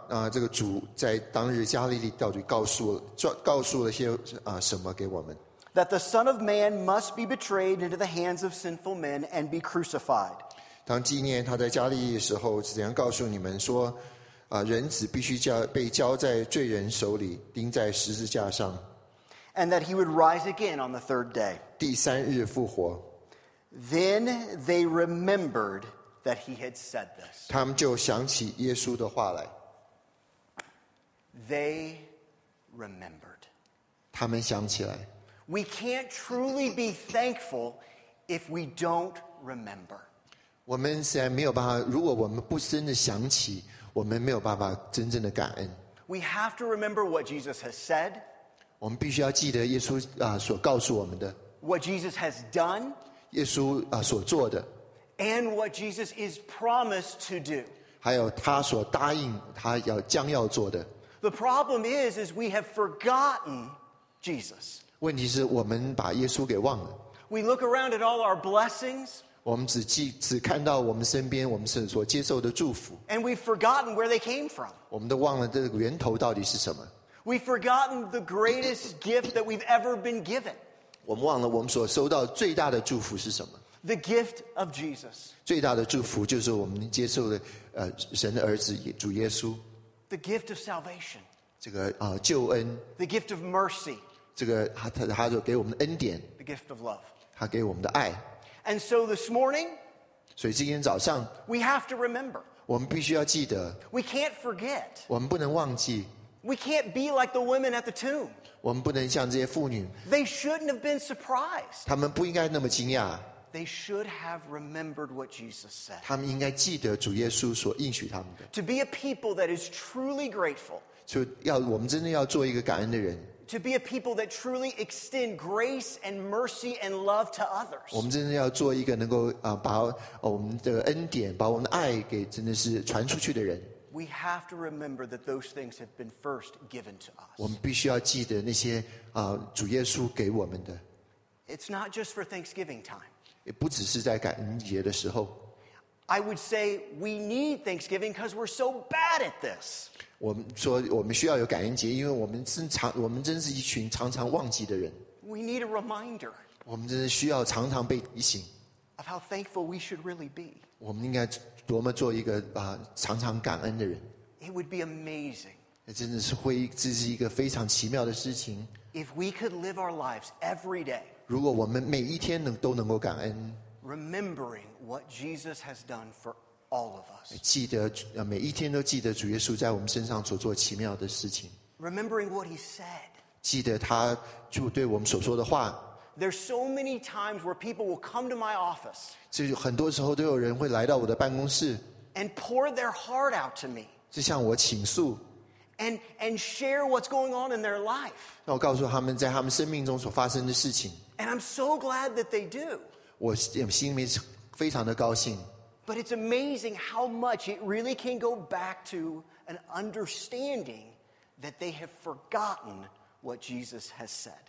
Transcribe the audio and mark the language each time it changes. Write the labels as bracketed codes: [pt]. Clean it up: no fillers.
[zh] 这个主在当日加利利到底告诉了些什么给我们。 [en] That the Son of Man must be betrayed into the hands of sinful men and be crucified. [zh] 当纪念他在加利利的时候怎样告诉你们说人子必须被交在罪人手里钉在十字架上。 [en] And that he would rise again on the third day. [zh] 第三日复活。 [en] Then they remembered that he had said this. [zh] 他们就想起耶稣的话来。 [en] They remembered. [zh] 他们想起来。 [en] We can't truly be thankful if we don't remember. [zh] 我们虽然没有办法，如果我们不真的想起，我们没有办法真正的感恩。 [en] We have to remember what Jesus has said. [zh] 我们必须要记得耶稣所告诉我们的。 [en] What Jesus has done. [zh] 耶稣所做的。 [en] And what Jesus is promised to do. [zh] 还有他所答应他将要做的。 [en] The problem is we have forgotten Jesus. [zh] 问题是我们把耶稣给忘了。 [en] We look around at all our blessings. [zh] 我们只看到我们身边我们所接受的祝福。 [en] And we've forgotten where they came from. [zh] 我们都忘了这个源头到底是什么。 [en] We've forgotten the greatest gift that we've ever been given. [zh] 我们忘了我们所收到最大的祝福是什么。 [en] The gift of Jesus. [zh] 最大的祝福就是我们接受的神的儿子主耶稣。 [en] The gift of salvation. [zh] 这个救恩。 [en] The gift of mercy. [zh] 这个他就给我们的恩典。 [en] The gift of love. [zh] 他给我们的爱。 [en] And so this morning. [zh] 所以今天早上。 [en] We have to remember. [zh] 我们必须要记得。 [en] We can't forget. [zh] 我们不能忘记。 [en] We can't be like the women at the tomb. [zh] 我们不能像这些妇女。 [en] They shouldn't have been surprised. [zh] 他们不应该那么惊讶。 [en] They should have remembered what Jesus said. [zh] 他们应该记得主耶稣所应许他们的。 [en] To be a people that is truly grateful. [zh] 就要我们真的要做一个感恩的人。 [en] To be a people that truly extend grace and mercy and love to others. [zh] 我们真的要做一个能够把我们的恩典把我们的爱给真的是传出去的人。 [en] We have to remember that those things have been first given to us. [zh] 我们必须要记得那些主耶稣给我们的。 [en] It's not just for Thanksgiving time. [zh] 也不只是在感恩节的时候。 [en] I would say we need Thanksgiving because we're so bad at this. [zh] 我们说我们需要有感恩节，因为我们真是一群常常忘记的人。 [en] We need a reminder. [zh] 我们真的需要常常被提醒。 [en] Of how thankful we should really be. [zh] 我们应该多么做一个常常感恩的人。 [en] It would be amazing. [zh] 真的是会，这是一个非常奇妙的事情。 [en] If we could live our lives every day. [zh] 如果我们每一天都能够感恩 [en] Remembering what Jesus has done for all of us [zh] 记得每一天都记得主耶稣在我们身上所做奇妙的事情 [en] Remembering what he said [zh] 记得他就对我们所说的话 [en] There's so many times where people will come to my office [zh] 就很多时候都有人会来到我的办公室 [en] And pour their heart out to me [zh] 就向我倾诉 [en] And share what's going on in their life [zh] 那我告诉他们在他们生命中所发生的事情 [en] And I'm so glad that they do. [zh] 我心里面非常的高兴。 [en] But it's amazing how much it really can go back to an understanding that they have forgotten what Jesus has said.